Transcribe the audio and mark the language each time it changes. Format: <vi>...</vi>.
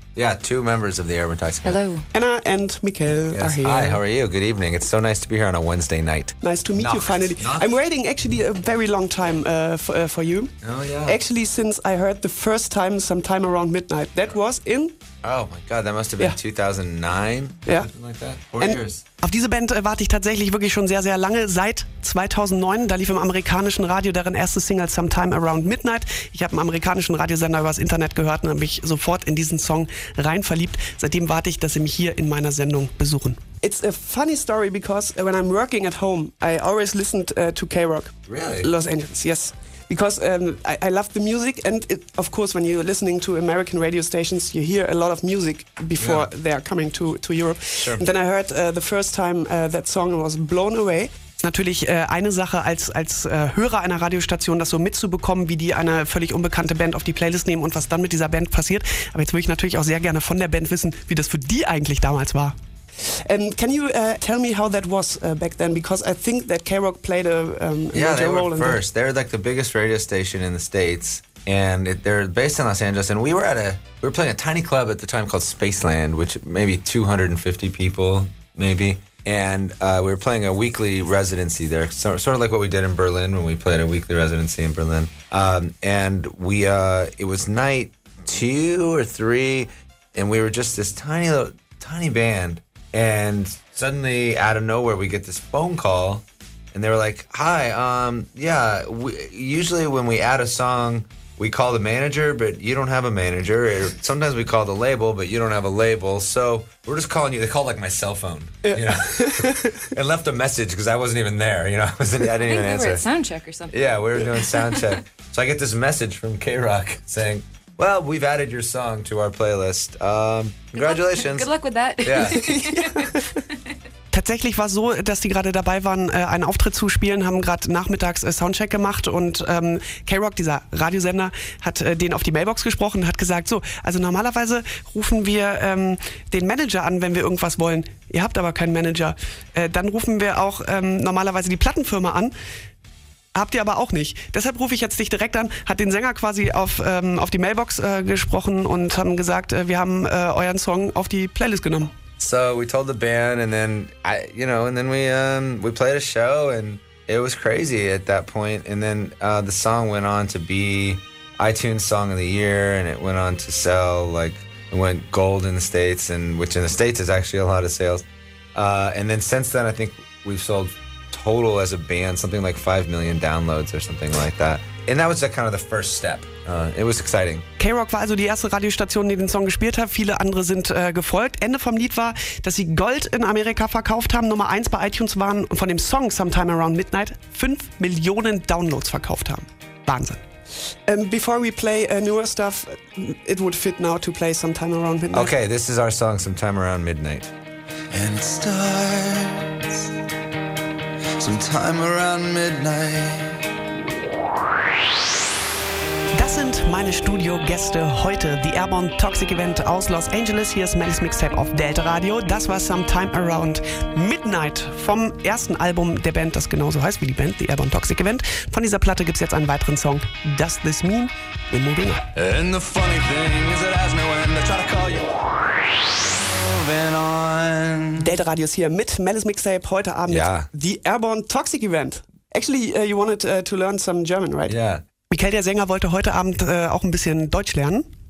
<en>Yeah, two members of the Airborne Toxic Event. Hello. Anna and Mikael are here. Hi, how are you? Good evening. It's so nice to be here on a Wednesday night. Nice to meet you finally. I'm waiting actually a very long time for you. Oh, yeah. Actually, since I heard the first time sometime around midnight. That was in... Oh my God, that must have been 2009. Yeah. Something like that. Four years.</en> <de>Auf diese Band warte ich tatsächlich wirklich schon sehr, sehr lange. Seit 2009, da lief im amerikanischen Radio deren erste Single Sometime Around Midnight. Ich habe einen amerikanischen Radiosender übers Internet gehört und habe mich sofort in diesen Song rein verliebt. Seitdem warte ich, dass sie mich hier in meiner Sendung besuchen.</de> <en>It's a funny story because when I'm working at home, I always listened to K-Rock. Really? Los Angeles, yes. Because I love the music, and it, of course, when you're listening to American radio stations, you hear a lot of music before they are coming to Europe. Sure. And then I heard the first time that song was blown away.</en> <de>Natürlich eine Sache als Hörer einer Radiostation, das so mitzubekommen, wie die eine völlig unbekannte Band auf die Playlist nehmen und was dann mit dieser Band passiert. Aber jetzt würde ich natürlich auch sehr gerne von der Band wissen, wie das für die eigentlich damals war.</de> <en>And can you tell me how that was back then? Because I think that K-Rock played a major role in that. Yeah, they were first. They're like the biggest radio station in the States, and they're based in Los Angeles. And we were playing a tiny club at the time called Spaceland, which maybe 250 people, maybe. And we were playing a weekly residency there, sort of like what we did in Berlin when we played a weekly residency in Berlin. It was night two or three, and we were just this tiny little tiny band. And suddenly, out of nowhere, we get this phone call, and they were like, "Hi, usually when we add a song, we call the manager, but you don't have a manager. Or sometimes we call the label, but you don't have a label. So we're just calling you." They called like my cell phone, you know, and left a message because I wasn't even there. You know, I didn't even answer. We were at sound check or something. Yeah, we were doing sound check. So I get this message from K-Rock saying, "Well, we've added your song to our playlist. Congratulations. Good luck with that." Yeah.</en> <de>Tatsächlich war es so, dass die gerade dabei waren, einen Auftritt zu spielen, haben gerade nachmittags Soundcheck gemacht und K-Rock, dieser Radiosender, hat den auf die Mailbox gesprochen und hat gesagt, so, also normalerweise rufen wir den Manager an, wenn wir irgendwas wollen. Ihr habt aber keinen Manager. Dann rufen wir auch normalerweise die Plattenfirma an. Habt ihr aber auch nicht. Deshalb rufe ich jetzt dich direkt an, hat den Sänger quasi auf die Mailbox gesprochen und haben gesagt, wir haben euren Song auf die Playlist genommen.</de> <en>So we told the band and then we played a show and it was crazy at that point. And then the song went on to be iTunes Song of the Year and it went on to sell, like it went gold in the States, and which in the States is actually a lot of sales. And then since then I think we've sold total as a band something like 5 million downloads or something like that. And that was the, kind of the first step. It was exciting.</en> <de>K-Rock war also die erste Radiostation, die den Song gespielt hat. Viele andere sind gefolgt. Ende vom Lied war, dass sie Gold in Amerika verkauft haben, Nummer 1 bei iTunes waren und von dem Song Sometime Around Midnight 5 Millionen Downloads verkauft haben. Wahnsinn.</de> <en>Before we play newer stuff, it would fit now to play Sometime Around Midnight. Okay, this is our song Sometime Around Midnight. And it starts sometime around midnight.</en> <de>Das sind meine Studio-Gäste heute. Die Airborne Toxic Event aus Los Angeles. Hier ist Melle's Mixtape auf Delta Radio. Das war Sometime Around Midnight vom ersten Album der Band, das genauso heißt wie die Band, die Airborne Toxic Event. Von dieser Platte gibt's jetzt einen weiteren Song.</de> <en>Does This Mean? We're moving on. And the funny thing is it has no end. I try to call you. Moving on.</en> <de>Delta Radio ist hier mit Melle's Mixtape heute Abend. Ja. Die Airborne Toxic Event.</de> <en>Actually, you wanted to learn some German, right? Yeah.</en> <de>Mikael, der Sänger, wollte heute Abend auch ein bisschen Deutsch lernen.</de>